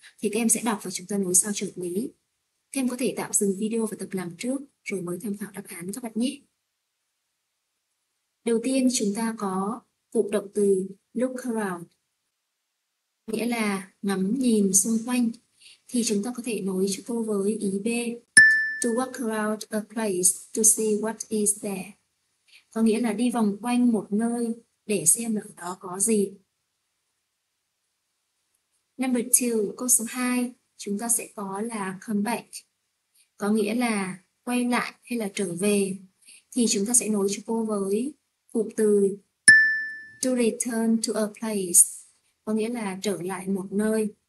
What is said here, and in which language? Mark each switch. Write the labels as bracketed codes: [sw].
[vi] Thì các em sẽ đọc và chúng ta nối sao cho hợp lý. Các em có thể tạm dừng video và tập làm trước rồi mới tham khảo đáp án các bạn nhé. Đầu tiên chúng ta có cụm động từ look around, nghĩa là ngắm nhìn xung quanh. Thì chúng ta có thể nối cho cô với ý B. [en] To walk around a place to see what is there. [vi] Có nghĩa là đi vòng quanh một nơi để xem ở đó có gì. Number 2, câu số 2, chúng ta sẽ có là come back. Có nghĩa là quay lại hay là trở về. thì chúng ta sẽ nối cho cô với cụm từ [en] to return to a place, [vi] có nghĩa là trở lại một nơi.